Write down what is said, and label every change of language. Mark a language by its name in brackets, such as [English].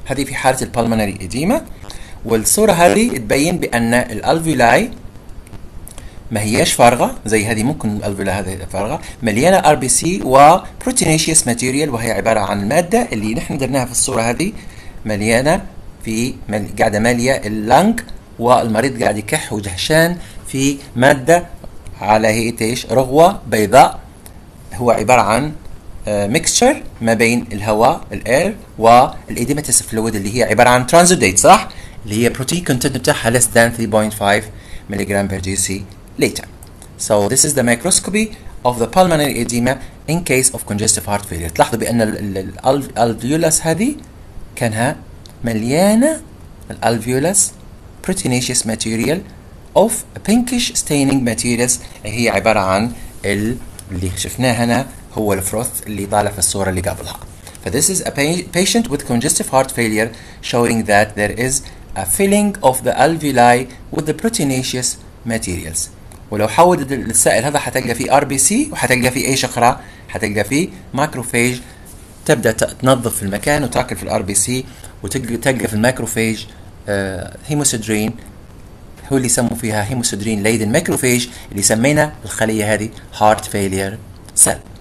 [Arabic] هذه في حالة البلمناري إديمة. والصورة هذه تبين بان الالفيولاي ما هيش فارغة زي هذه, ممكن الالفيولاي هذه فارغة مليانة RBC وبروتينيشيس ماتيريال, وهي عبارة عن المادة اللي نحن درناها في الصورة هذه مليانة في قاعدة مالية اللانج, والمريض قاعد يكح ودهشان في مادة على هيئة رغوة بيضاء, هو عبارة عن ميكستشر ما بين الهواء الاير والإديماتيس فلويد اللي هي عبارة عن ترانزوديت صح, اللي هي بروتين كونتنت بتاعها less than 3.5 ملغرام بير دي سي لتر. [English] So this is the microscopy of the pulmonary edema in case of congestive heart failure. [Arabic] تلاحظوا بأن الالفيولاس هذه كانها مليانة الالفيولاس بروتينيشيس ماتيريال [English] of pinkish staining materials [Arabic] هي عبارة عن اللي شفناه هنا هو الفروث اللي طالع في الصورة اللي قبلها. [English] فthis is a patient with congestive heart failure showing that there is a filling of the alveoli with the proteinaceous materials. [Arabic] ولو حول السائل هذا حتلقى فيه RBC وحتلقى فيه ايش اخرى, حتلقى فيه ماكروفاج, تبدأ تنظف في المكان وتاكل في RBC وتلقى في الماكروفاج هيموسيدرين, هو اللي يسموا فيها هيموسيدرين ليدن ماكروفاج اللي سمينا الخلية هذه heart failure cell.